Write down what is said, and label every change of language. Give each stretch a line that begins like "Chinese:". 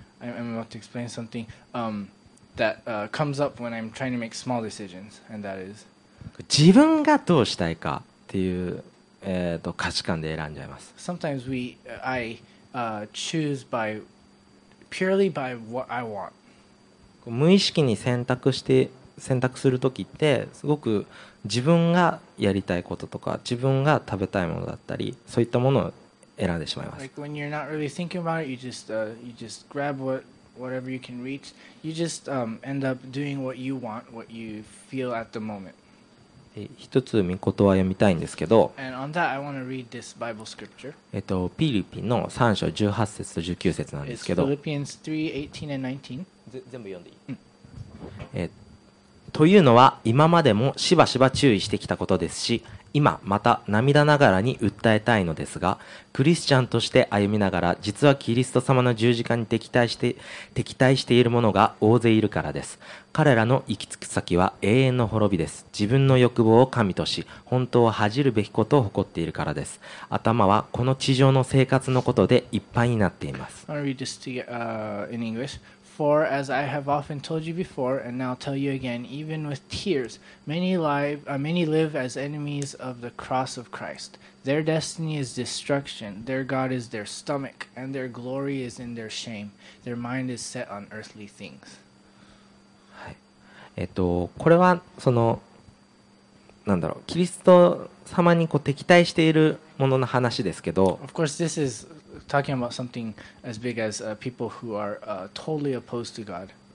English: I'm about to explain something that comes up when I'm trying to make small decisions, and that is
Japanese: 自分がどうしたいかっていう価値観で選んじゃいます。
English: Sometimes I choose by purely by what I want.
Japanese: 無意識に選択して選択するときってすごく自分がやりたいこととか自分が食べたいものだったりそういったものを選んでしまいます。
English: Like when you're not really thinking about it, you just grab whatever you can reach. You just end up doing what you want, what you feel at the moment.
Japanese: 一つ御言葉を読みたいんですけど。
English: And on that, I want to read this Bible scripture.
Japanese: ピリピの3章18節と19節なんですけど。
English: It's Philippians 3, 18 and 19.
Japanese: 全部読んでいい。というのは今までもしばしば注意してきたことですし、今また涙ながらに訴えたいのですが、クリスチャンとして歩みながら実はキリスト様の十字架に敵対している者が大勢いるからです。彼らの行き着く先は永遠の滅びです。自分の欲望を神とし本当を恥じるべきことを誇っているからです。頭はこの地上の生活のことでいっぱいになっています。
English: I'll read this to get, in English. For as I have often told you before, and now tell you again, even with tears, many live as enemies of the cross of Christ. Their destiny is destruction. Their God is their stomach, and their glory is in their shame. Their mind is set on earthly things.
Japanese: これはそのなんだろうキリスト様にこう敵対しているものの話ですけど。
English: Of course, this is talking about something as big as people who are totally opposed to God.